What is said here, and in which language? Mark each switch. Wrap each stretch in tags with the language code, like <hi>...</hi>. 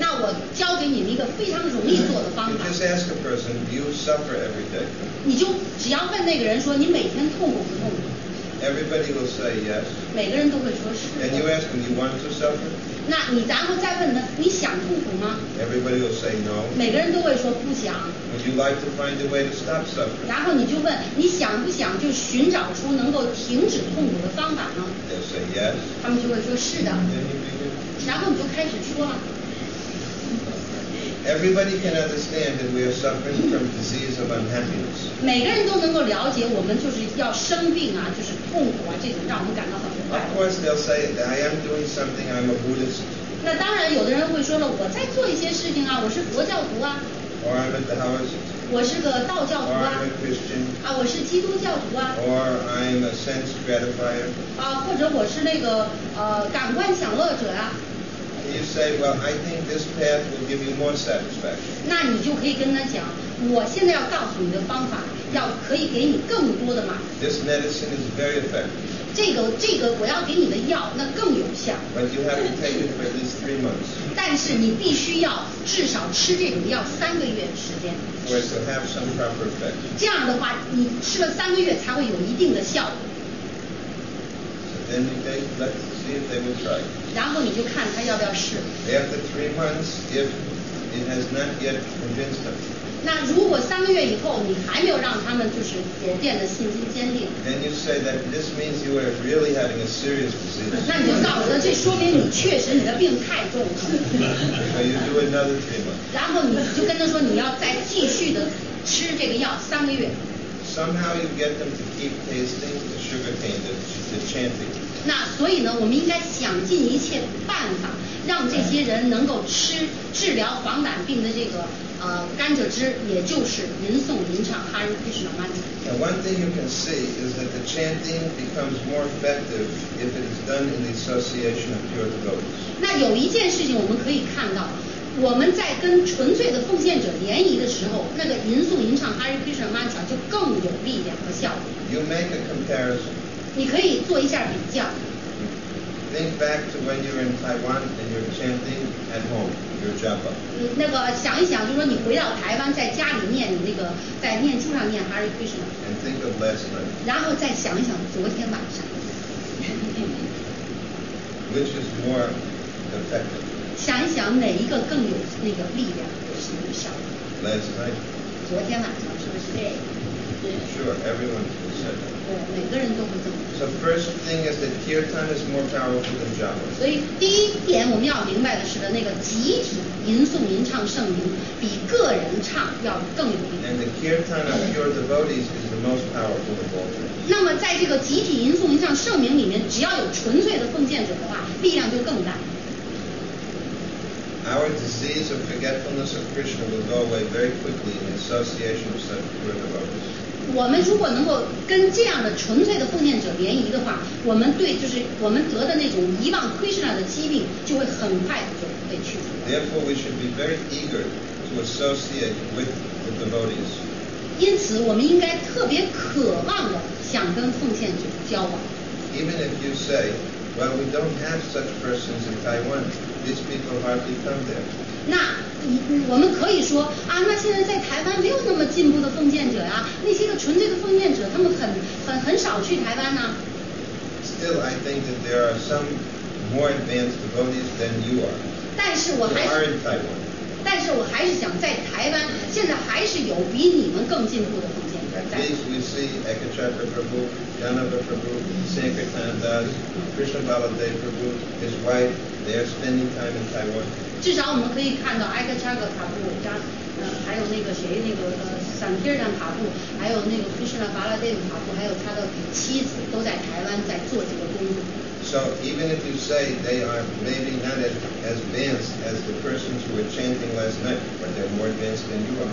<zh>那我教给你们一个非常容易做的方法。</zh> <en>You just ask a person, do you suffer every day?</en> <zh>你就只要问那个人说，你每天痛苦不痛苦？</zh> <en>Everybody will say yes.</en> <zh>每个人都会说是。</zh> <en>And you ask them, do you want to suffer?</en> <zh>那你然后再问他，你想痛苦吗？</zh> <en>Everybody will say no.</en> <zh>每个人都会说不想。</zh> <en>Would you like to find a way to stop suffering?</en> <zh>然后你就问，你想不想就寻找出能够停止痛苦的方法呢？</zh> <en>They'll say yes.</en> <zh>他们就会说是的。</zh> <en>Then you begin.</en> <zh>然后你就开始说了。</zh> <en>Everybody can understand that we are suffering from disease of unhappiness.</en> <zh>每个人都能够了解，我们就是要生病啊，就是痛苦啊，这种让我们感到很不快。</zh> <en>Of course, they'll say that I am doing something. I'm a Buddhist.</en> <zh>那当然，有的人会说了，我在做一些事情啊，我是佛教徒啊。</zh> <en>Or I'm a Taoist.</en> <zh>我是个道教徒啊。</zh> <en>Or I'm a Christian.</en> <zh>啊，我是基督教徒啊。</zh> <en>Or I'm a sense gratifier.</en> <zh>啊，或者我是那个感官享乐者啊。</zh> <en>You say, well, I think this path will give you more satisfaction.</en> <zh>那你就可以跟他讲，我现在要告诉你的方法，要可以给你更多的满足。</zh> <en>This medicine is very effective.</en> <zh>这个我要给你的药，那更有效。</zh> <en>But you have to take it for at least 3 months.</en> <zh>但是你必须要至少吃这种药3个月的时间。</zh> <en>For it to have some proper effect.</en> <zh>这样的话，你吃了3个月才会有一定的效果。</zh> <en>Then you take, let's see if they will try.</en> <zh>然后你就看他要不要试。</zh> <en>After 3 months, if it has not yet convinced them.</en> <zh>那如果三个月以后你还没有让他们就是逐渐的信心坚定</zh> <en>，Then you say that this means you are really having a serious disease.</en> <zh>那你就告诉他，这说明你确实你的病太重了。</zh> <en>So you do another treatment.</en> <zh>然后你就跟他说你要再继续的吃这个药三个月。</zh> <en>Somehow you get them to keep tasting the sugar cane, the chanting.</en> <zh>那所以呢，我们应该想尽一切办法，让这些人能够吃治疗黄疸病的这个甘蔗汁，也就是吟诵吟唱哈利克什那曼特。</zh> <en>One thing you can see is that the chanting becomes more effective if it is done in the association of pure devotees.</en> <zh>那有一件事情我们可以看到。我们在跟纯粹的奉献者联谊的时候，那个吟诵吟唱 Hare Krishna Mantra 就更有力量和效果。</zh> <en>You make a comparison.</en> <zh>你可以做一下比较。</zh> <en>Think back to when you're in Taiwan and you're chanting at home your japa.</en> <zh>那个想一想，就是说你回到台湾，在家里念那个在念珠上念 Hare Krishna.</zh> <en>And think of last night.</en> <zh>然后再想一想昨天晚上。</zh> <en>Which is more effective?</en> <zh>想一想哪一个更有那个力量和实际效果</zh> <en>Last night</en> <zh>昨天晚上是不是对</zh> <en>Sure, everyone has said that</en> <zh>对，每个人都会这么说</zh> <en>So first thing is that kirtan is more powerful than japa</en> <zh>所以第一点我们要明白的是那个集体吟诵吟唱圣名比个人唱要更有力</zh> <en>And the kirtan of pure devotees is the most powerful of all time</en> <zh>那么在这个集体吟诵吟唱圣名里面只要有纯粹的奉献者的话力量就更大</zh> <en>Our disease of forgetfulness of Krishna will go away very quickly in association with such pure devotees.</en> <zh>我们如果能够跟这样的纯粹的奉献者联谊的话，我们对就是我们得的那种遗忘 Krishna 的疾病就会很快就被去除。</zh> <en>Therefore, we should be very eager to associate with the devotees.</en> <zh>因此，我们应该特别渴望的想跟奉献者交往。</zh> <en>Even if you say, well, we don't have such persons in Taiwan. These people hardly come there.</en> <zh>那我们可以说啊，那现在在台湾没有那么进步的奉献者呀、啊，那些个纯粹的奉献者，他们很少去台湾呢、啊。</zh> <en>Still, I think that there are some more advanced devotees than you are.</en> <zh>但是我还是</zh> <en>who are in Taiwan.</en> <zh>但是我还是想在台湾，现在还是有比你们更进步的奉献者在。</zh> <en>At least we see Ekachatra Prabhu, Janaka Prabhu, Sankirtan Das, Krishna Baladev Prabhu, his wife. They are spending time in Taiwan.</en> <zh>至少我们可以看到埃克查格塔布，加还有那个谁，那个桑提尔坦塔布，还有那个库什纳巴拉蒂姆塔布，还有他的妻子都在台湾在做这个工作。</zh> <en>So even if you say they are maybe not as advanced as the persons who were chanting last night, but they're more advanced than you are.</en>